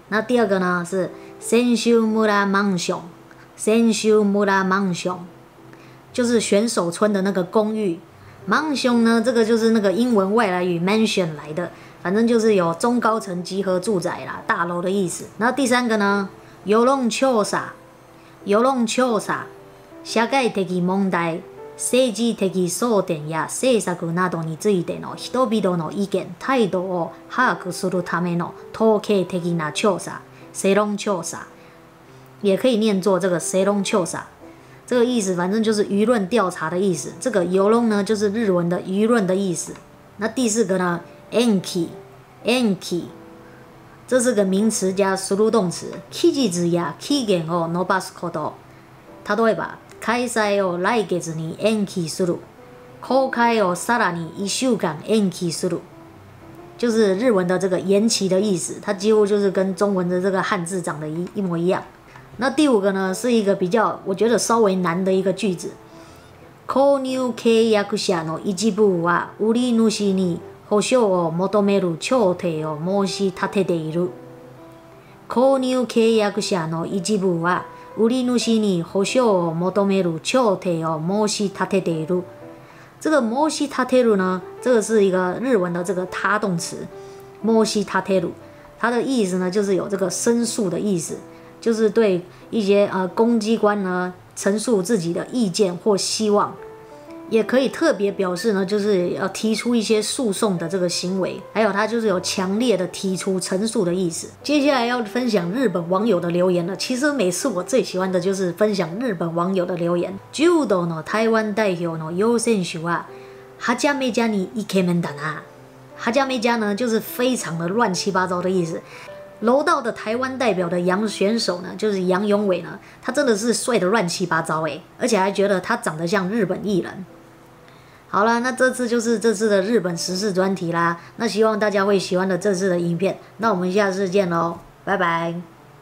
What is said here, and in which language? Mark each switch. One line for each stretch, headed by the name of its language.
Chinese: 那第二个呢是 Senshu Mura MansionSen Shu Mura Mansion， 就是选手村的那个公寓。 Mansion 呢，这个就是那个英文外来语 Mansion 来的，反正就是有中高层集合住宅啦，大楼的意思。那第三个呢
Japanese: ，Yolong Chosa， Yolong Chosa， 社会的問題、政治的争点や政策などについての人々の意見態度を把握するための統計的な調査、世論調査。
Chinese: 也可以念作这个 Seirong Chosa， 这个意思反正就是舆论调查的意思。这个 Yolong 呢就是日文的舆论的意思。那第四个呢 Enki， Enki 这是个名词加输入动词。
Japanese: 期日や期限を延ばすこと，例えば開催を来月に延期する、公開をさらに1週間延期する，
Chinese: 就是日文的这个延期的意思，它几乎就是跟中文的这个汉字长得 一模一样。那第五个呢，是一个比较我觉得稍微难的一个句子。
Japanese: 購入契約者の一部は売り主に保証を求める調停を申し立てている。購入契約者の一部は売り主に保証を求める調停を申し立てている。
Chinese: 这个申し立てる呢，这个是一个日文的这个他动词。申し立てる，它的意思呢，就是有这个申诉的意思。就是对一些公机关呢陈述自己的意见或希望，也可以特别表示呢就是要提出一些诉讼的这个行为，还有他就是有强烈的提出陈述的意思。接下来要分享日本网友的留言了。其实每次我最喜欢的就是分享日本网友的留言。
Japanese: 柔道の台湾代表の楊選手は、はちゃめちゃにイケメンだな。
Chinese: 哈加梅加呢就是非常的乱七八糟的意思。柔道的台湾代表的杨选手呢，就是杨永伟呢，他真的是帅得乱七八糟耶，而且还觉得他长得像日本艺人。好了，那这次就是这次的日本时事专题啦，那希望大家会喜欢的这次的影片，那我们下次见咯，拜拜。